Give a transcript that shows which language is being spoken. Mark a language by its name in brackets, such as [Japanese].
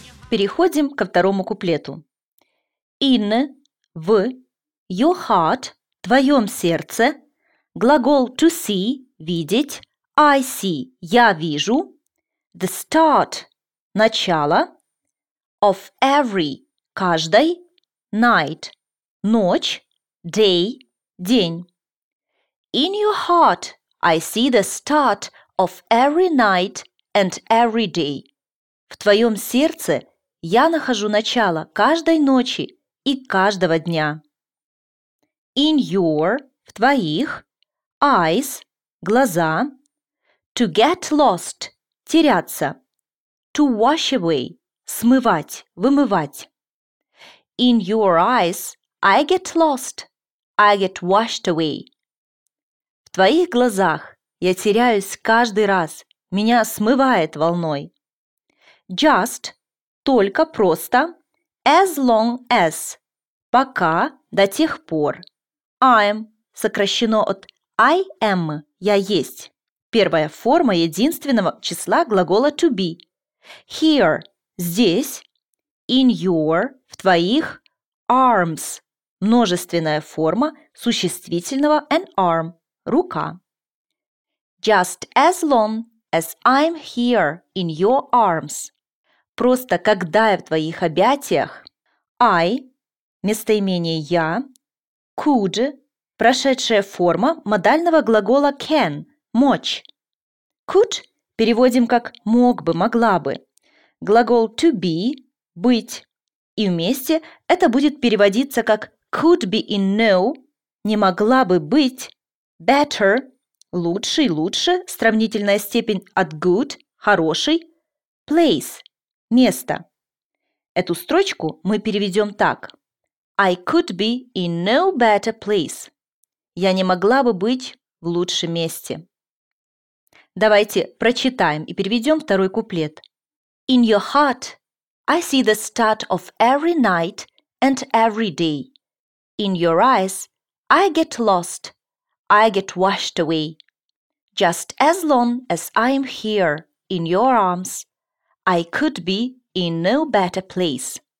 [Russian] Переходим ко второму куплету. [English] In, [Russian] в, [English] your heart, [Russian] твоем сердце, глагол [English] to see, [Russian] видеть, [English] I see, [Russian] я вижу, [English] the start, [Russian] начало, [English] of every, [Russian] каждой, [English] night, [Russian] ночь, [English] day, [Russian] день. [English] In your heart, I see the start of every night and every day. [Russian] В твоем сердце я нахожу начало каждой ночи и каждого дня. [English] In your, [Russian] в твоих, [English] eyes, [Russian] глаза, [English] to get lost, [Russian] теряться, [English] to wash away, [Russian] смывать, вымывать. [English] In your eyes, I get lost, I get washed away. [Russian] В твоих глазах я теряюсь каждый раз, меня смывает волной. [English] Just, [Russian] только, просто, [English] as long as, [Russian] пока, до тех пор. [English] I'm, [Russian] сокращено от [English] I am, [Russian] я есть. Первая форма единственного числа глагола [English] to be. Here, [Russian] здесь. [English] In your, [Russian] в твоих, [English] arms. [Russian] Множественная форма существительного [English] an arm, [Russian] рука. [English] Just as long as I'm here in your arms. [Russian] Просто когда я в твоих объятиях. [English] I, [Russian] местоимение я. [English] Could, [Russian] прошедшая форма модального глагола [English] can, [Russian] мочь. [English] Could [Russian] переводим как мог бы, могла бы. Глагол [English] to be, [Russian] быть. И вместе это будет переводиться как [English] could be in no, [Russian] не могла бы быть. [English] Better, [Russian] лучше и лучше, сравнительная степень от [English] good, [Russian] хороший. [English] Place, [Russian] место. Эту строчку мы переведем так. [English] I could be in no better place. [Russian] Я не могла бы быть в лучшем месте. Давайте прочитаем и переведем второй куплет. [English] In your heart, I see the start of every night and every day. In your eyes, I get lost, I get washed away. Just as long as I am here in your arms, I could be in no better place.